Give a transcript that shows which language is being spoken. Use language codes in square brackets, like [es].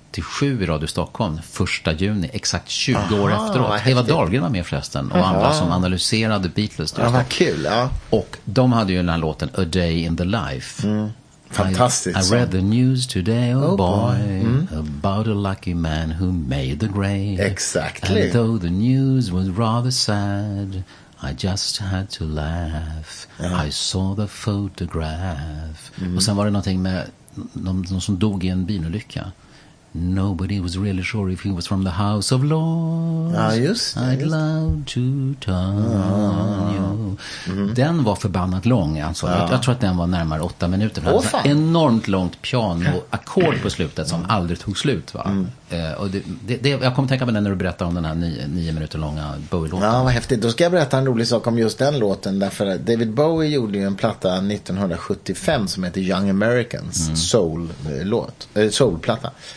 [sv] 87 i Radio Stockholm 1 juni, exakt 20 år efteråt. Eva Dahlgren var med förresten och andra som analyserade Beatles. Ja, vad kul, ja. Och de hade ju den här låten A Day in the Life. Mm. Fantastiskt. [en] I read the news today, oh boy, about a lucky man who made the grade. Exactly. And though the news was rather sad, I just had to laugh. I saw the photograph. Mm. [sv] Och sen var det någonting med någon som dog i en bilolycka. [en] Nobody was really sure if he was from the House of Lords. [sv] Ja, just det. [en] I'd love to turn you. [sv] Den var förbannat lång, alltså. Ja. Jag tror att den var närmare 8 minuter. Åh, enormt långt pianoakkord på slutet som aldrig tog slut, va? Mm. Och jag kommer tänka på den när du berättar om den här 9 minuter långa Bowie-låten. Ja, vad häftigt. Då ska jag berätta en rolig sak om just den låten. Därför att David Bowie gjorde ju en platta 1975 som heter Young Americans soulplatta.